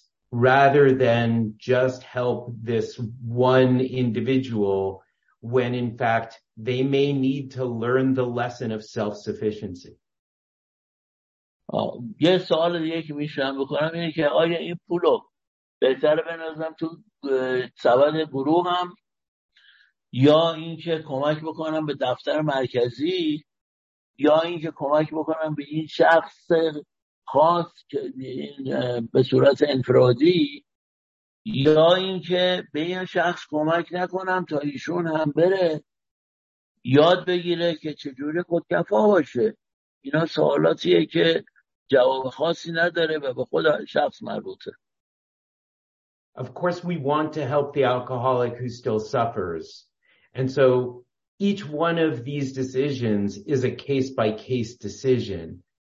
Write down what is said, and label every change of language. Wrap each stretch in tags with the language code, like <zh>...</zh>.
<en>Rather than just help this one individual when in fact they may need to learn the lesson of self-sufficiency.</en> <fa>یه سوال دیگه که میشونم بکنم اینه که آیا این پولو بهتر بنازم تو سبد گروهم یا اینکه کمک بکنم به دفتر مرکزی یا اینکه کمک بکنم به این شخص خاص به صورت انفرادی یا اینکه به این شخص کمک نکنم تا ایشون هم بره یاد بگیره که چجوری خودکفا باشه. اینا سوالاتیه که جواب خاصی نداره و به خود شخص مربوطه.</fa> <en>Of course we want to help the alcoholic who still suffers, and so each one of these decisions is a case by case decision.</en>